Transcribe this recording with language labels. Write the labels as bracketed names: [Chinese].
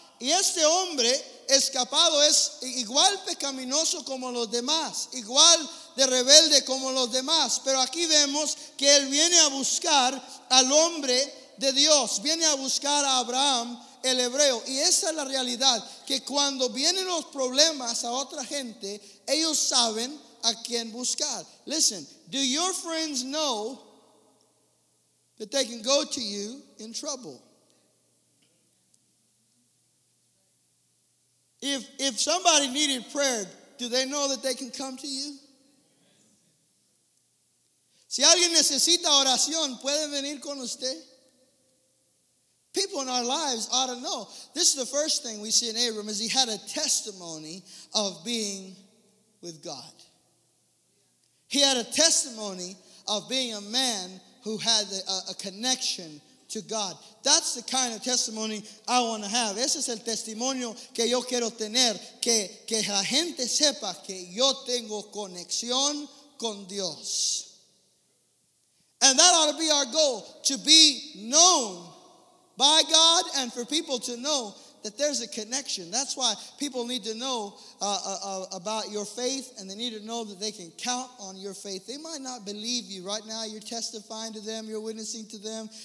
[Spanish] Y este hombre escapado es igual pecaminoso como los demás, igual de rebelde como los demás. Pero aquí vemos que él viene a buscar al hombre de Dios, viene a buscar a Abraham, el hebreo. Y esa es la realidad, que cuando vienen los problemas a otra gente, ellos saben a quién buscar. [English] Listen, do your friends know that they can go to you in trouble? If somebody needed prayer, do they know that they can come to you? [Spanish] Si alguien necesita oración, puede venir con usted. [English] People in our lives ought to know. This is the first thing we see in Abram, is he had a testimony of being with God. He had a testimony of being a man who had a connection to God. That's the kind of testimony I want to have. [Spanish] Ese es el testimonio que yo quiero tener, que la gente sepa que yo tengo conexión con Dios. [English] And that ought to be our goal, to be known by God and for people to know that there's a connection. That's why people need to know about your faith, and they need to know that they can count on your faith. They might not believe you right now. You're testifying to them. You're witnessing to them.